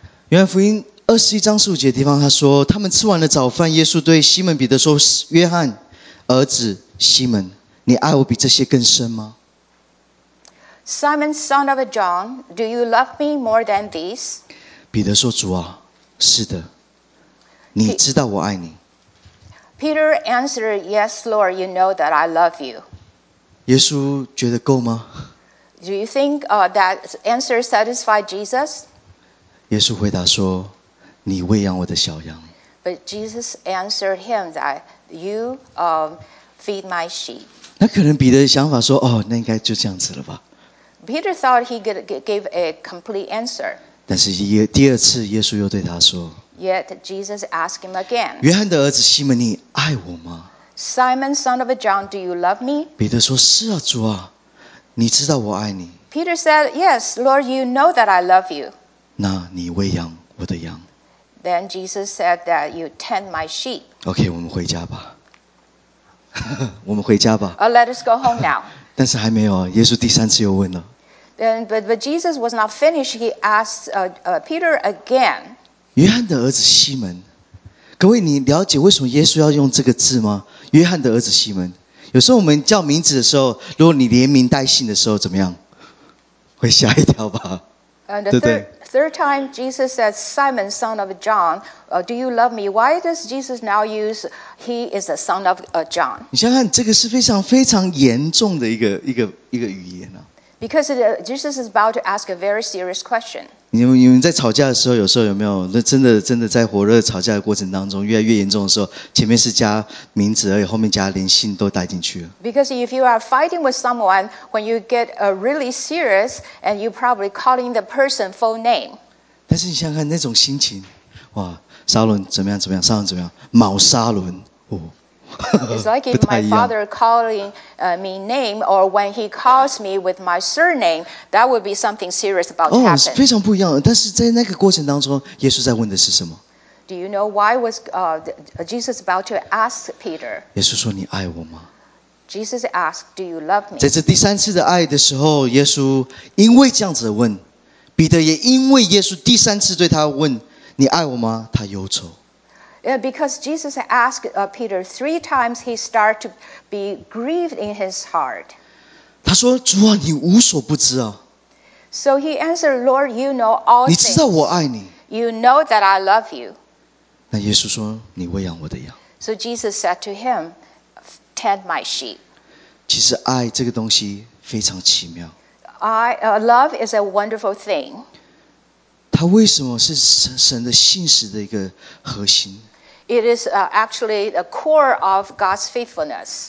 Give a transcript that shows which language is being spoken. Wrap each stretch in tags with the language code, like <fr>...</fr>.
<zh>约翰福音二十一章十五节的地方，他说：“他们吃完了早饭，耶稣对西门彼得说：‘约翰，儿子西门，你爱我比这些更深吗？’</zh> <en>Simon, son of John, do you love me more than these?</en> <zh>彼得说：‘主啊，是的，你知道我爱你。’</zh> <en>Peter answered, Yes, Lord, you know that I love you.</en> <zh>耶稣觉得够吗？</zh> <en>Do you think that answer satisfied Jesus?</en> <zh>耶稣回答说，你喂养我的小羊。</zh> <en>But Jesus answered him that you feed my sheep.</en> <zh>那可能彼得的想法说，哦，那应该就这样子了吧。</zh> <en>Peter thought he could give a complete answer.</en> <zh>但是第二次耶稣又对他说，</zh> <en>Yet Jesus asked him again.</en> <zh>约翰的儿子西门，你爱我吗？</zh> <en>Simon, son of John, do you love me?</en> <zh>彼得说，是啊，主啊，你知道我爱你。</zh> <en>Peter said, Yes, Lord, you know that I love you.</en> <zh>那你喂养我的羊。</zh> <en>Then Jesus said that you tend my sheep.</en> <zh>OK, 我们回家吧。我们回家吧。</zh> <en>Let us go home now.</en> <zh>但是还没有啊，耶稣第三次又问了。</zh> <en>Then, but Jesus was not finished. He asked Peter again.</en> <zh>约翰的儿子西门，各位，你了解为什么耶稣要用这个字吗？约翰的儿子西门，有时候我们叫名字的时候，如果你连名带姓的时候，怎么样？会吓一跳吧？对不对</zh> <en>？Third time, Jesus said, "Simon, son of John, do you love me?" Why does Jesus now use "He is the son of John"?</en> <zh>你想想，这个是非常非常严重的一个语言啊。</zh> <en>Because Jesus is about to ask a very serious question.</en> <zh>你们在吵架的时候，有时候有没有？那真的在火热吵架的过程当中，越来越严重的时候，前面是加名字而已，后面加连姓都带进去了。</zh> <en>Because if you are fighting with someone, when you get really serious, and you probably calling the person full name.</en> <zh>但是你想想看那种心情，哇，沙伦怎么样怎么样？沙伦怎么样？卯沙伦，哦。</zh> <en>It's like if my father calling me name, or when he calls me with my surname, that would be something serious about to happen.</en> <zh>非常不一样。但是在那个过程当中，耶稣在问的是什么</zh> <en>？Do you know why was Jesus about to ask Peter?</en> <zh>耶稣说：“你爱我吗</zh> <en>？”Jesus asked, "Do you love me?"</en> <zh>在这第三次的爱的时候，耶稣因为这样子的问，彼得也因为耶稣第三次对他问“你爱我吗？” 他忧愁。</zh> <en>Because Jesus asked Peter three times, he started to be grieved in his heart.</en> <zh>他说：“主啊，你无所不知啊。”</zh> <en>So he answered, "Lord, you know all things."</en> <zh>你知道我爱你。</zh> <en>You know that I love you.</en> <zh>那耶稣说：“你喂养我的羊。”</zh> <en>So Jesus said to him, "Tend my sheep."</en> <zh>其实爱这个东西非常奇妙。</zh> <en>Love is a wonderful thing.</en> <zh>他为什么是神的信实的一个核心？</zh> <en>It is actually the core of God's faithfulness.</en>